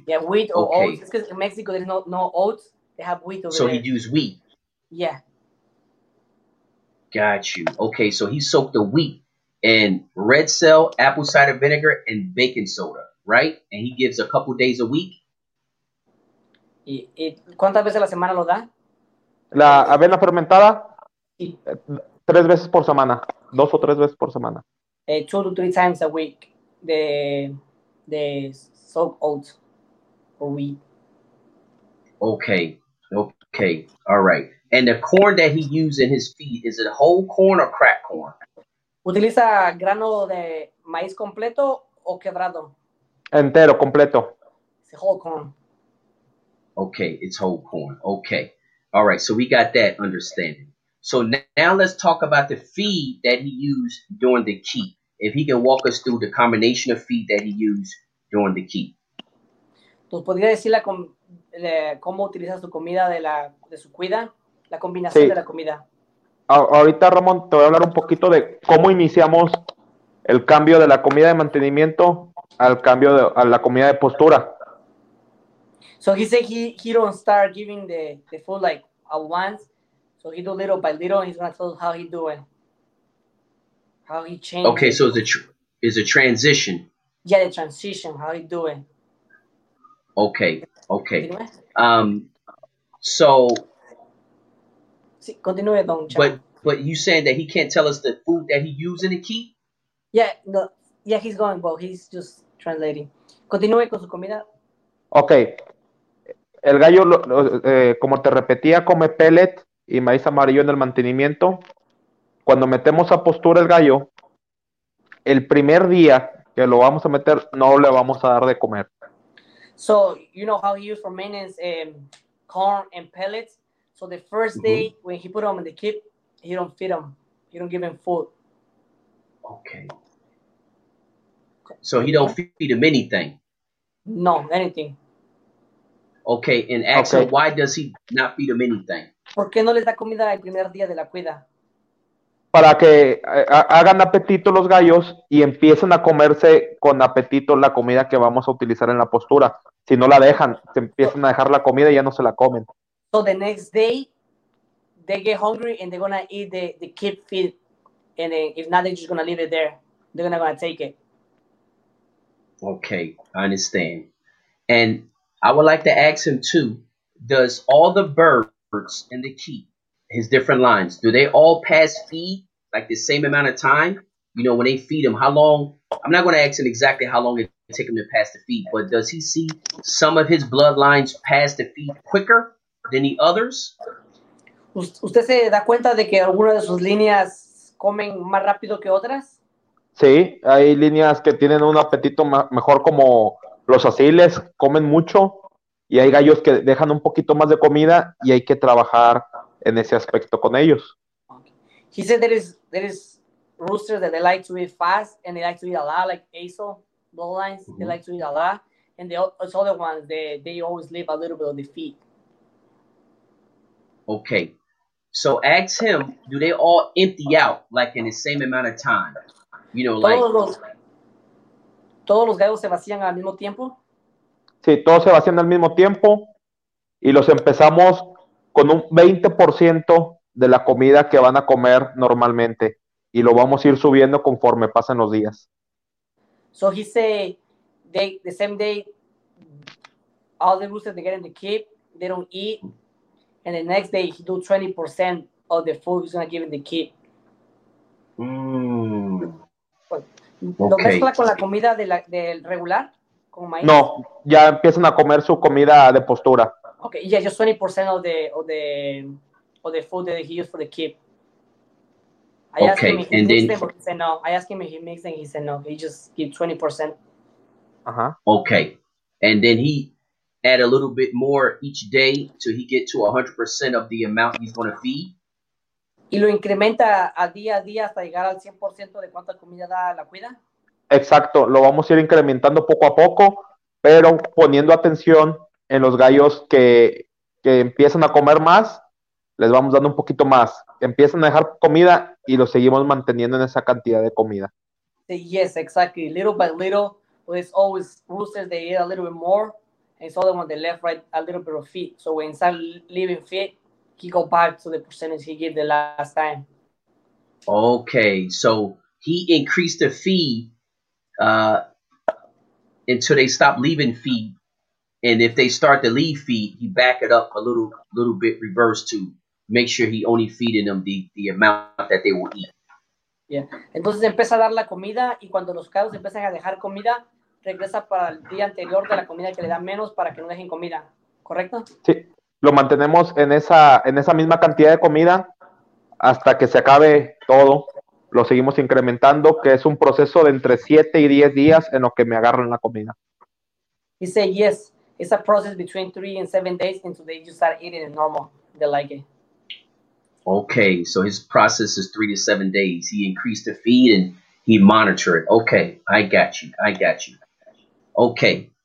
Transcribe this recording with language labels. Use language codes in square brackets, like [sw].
[en] Yeah, wheat or okay. Oats. Because in Mexico there's no oats. They have wheat over so there. So he used wheat? Yeah. Got you. Okay, so he soaked the wheat in Red Cell, apple cider vinegar, and baking soda, right? And he gives a couple days a week? [es] ¿Y cuántas veces a la semana lo da? La avena fermentada, sí. Tres veces por semana, dos o tres veces por semana. [en] Two to three times a week, the soaked oats or wheat. Okay, all right. And the corn that he used in his feed, is it whole corn or cracked corn? [es] ¿Utiliza grano de maíz completo o quebrado? Entero, completo. [en] It's whole corn. Okay, it's whole corn. Okay. All right, so we got that understanding. So now let's talk about the feed that he used during the keep. If he can walk us through the combination of feed that he used during the keep. [es] ¿Tú podrías decir cómo utiliza su comida de su cuida? La combinación sí. De la comida. Ahorita, Ramón, te voy a hablar un poquito de cómo iniciamos el cambio de la comida de mantenimiento al cambio a la comida de postura. [en] So he said he don't start giving the food like at once. So he do little by little, and he's gonna tell us how he doing. How he changed. Okay, so it's a transition. Yeah, the transition, how are you doing? Okay, okay. So... [es] Sí, continue, Don Chan. [en] But you saying that he can't tell us the food that he used in the key? Yeah, no, yeah, he's going, but he's just translating. [es] Continúe con su comida. Okay. El gallo, como te repetía, come pellet y maíz amarillo en el mantenimiento. Cuando metemos a postura el gallo, el primer día que lo vamos a meter, no le vamos a dar de comer. [en] So, you know how he used for maintenance corn and pellets? So the first day, mm-hmm. when he put them in the keep, he don't feed them. He don't give them food. Okay. So he don't feed him anything? No, anything. Okay, and ask okay. him, why does he not feed him anything? [es] ¿Por qué no les da comida el primer día de la cuida? Para que hagan apetito los gallos y empiecen a comerse con apetito la comida que vamos a utilizar en la postura. Si no la dejan, se empiezan a dejar la comida y ya no se la comen. [en] So the next day, they get hungry and they're going to eat the kid feed. And then, if not, they're just going to leave it there. They're not going to take it. Okay, I understand. And I would like to ask him too, does all the birds in the key, his different lines, do they all pass feed like the same amount of time? You know, when they feed him, how long? I'm not going to ask him exactly how long it takes him to pass the feed, but does he see some of his bloodlines pass the feed quicker than the others? [es] ¿Usted se da cuenta de que algunas de sus líneas comen más rápido que otras? Sí, hay líneas que tienen un apetito mejor como los asiles, comen mucho, y hay gallos que dejan un poquito más de comida, y hay que trabajar en ese aspecto con ellos. [en] Okay. He said there is roosters that they like to eat fast, and they like to eat a lot, like Azel, bloodlines, mm-hmm. they like to eat a lot, and the other ones, they always leave a little bit of the feed. Okay, so ask him, do they all empty out, like in the same amount of time? You know, [es] todos los gallos se vacían al mismo tiempo. Sí, todos se vacían al mismo tiempo y los empezamos con un 20% de la comida que van a comer normalmente y lo vamos a ir subiendo conforme pasan los días. [en] So he said they the same day all the roosters they get in the keep they don't eat and the next day he do 20% of the food he's gonna give in the keep. [es] ¿Lo okay. mezcla con la comida del regular? Con maíz. No, ya empiezan a comer su comida de postura. [en] Ok, yeah, just 20% of the food that he used for the keep. I okay, asked him if he and mixed then... them, but he said no. I asked him if he mixed them, he said no. He just gave 20%. Uh-huh. Okay, and then he add a little bit more each day till he get to 100% of the amount he's going to feed. [es] ¿Y lo incrementa a día hasta llegar al 100% de cuánta comida da la cuida? Exacto, lo vamos a ir incrementando poco a poco, pero poniendo atención en los gallos que empiezan a comer más, les vamos dando un poquito más. Empiezan a dejar comida y lo seguimos manteniendo en esa cantidad de comida. [en] Sí, yes, exactly. Little by little, there's always roosters, they eat a little bit more, and so the one they left right a little bit of feed. So when they start leaving feed, he go back to the percentage he gave the last time. Okay, so he increased the feed until they stop leaving feed. And if they start to leave feed, he back it up a little bit reverse to make sure he only feeding them the amount that they will eat. [es] Yeah, entonces empieza a dar la comida y cuando los gallos empiezan a dejar comida, regresa para el día anterior de la comida que le dan menos para que no dejen comida, ¿correcto? Sí. Lo mantenemos en esa misma cantidad de comida hasta que se acabe todo. Lo seguimos incrementando, que es un proceso de entre 7 y 10 días en lo que me agarran la comida. [en] He said, yes, it's a process between 3 and 7 days until they just start eating it normal. They like it. Okay, so his process is 3 to 7 days. He increased the feed and he monitored it. Okay, I got you. Okay.